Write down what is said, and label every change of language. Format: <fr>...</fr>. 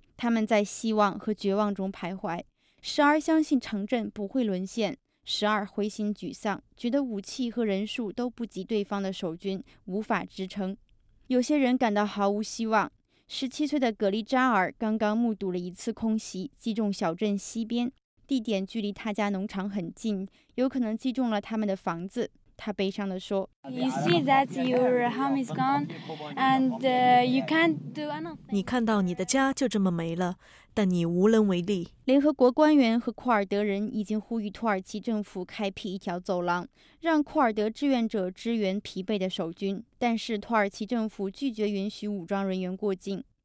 <zh>他们在希望和绝望中徘徊，时而相信城镇不会沦陷，时而灰心沮丧，觉得武器和人数都不及对方的守军，无法支撑。有些人感到毫无希望。17岁的格里扎尔刚刚目睹了一次空袭，击中小镇西边，地点距离他家农场很近，有可能击中了他们的房子。他悲伤地说，</zh> <en>You see that your home is gone and you can't do anything.</en> <zh>你看到你的家就这么没了，但你无能为力。联合国官员和库尔德人已经呼吁土耳其政府开辟一条走廊，让库尔德志愿者支援疲惫的守军，但是土耳其政府拒绝允许武装人员过境。</zh>